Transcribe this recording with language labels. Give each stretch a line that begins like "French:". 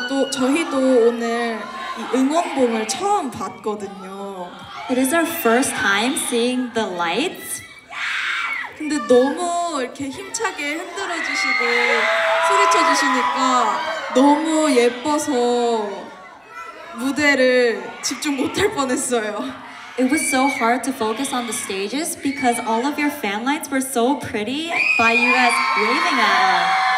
Korean: 저희도 오늘 이 응원봉을 처음 봤거든요.
English: It is our first time seeing the lights.
Korean: 근데 너무 이렇게 힘차게 흔들어 주시고 소리쳐 주시니까 너무 예뻐서 무대를 집중 못할 뻔했어요.
English: It was so hard to focus on the stages because all of your fan lights were so pretty by you guys waving at them.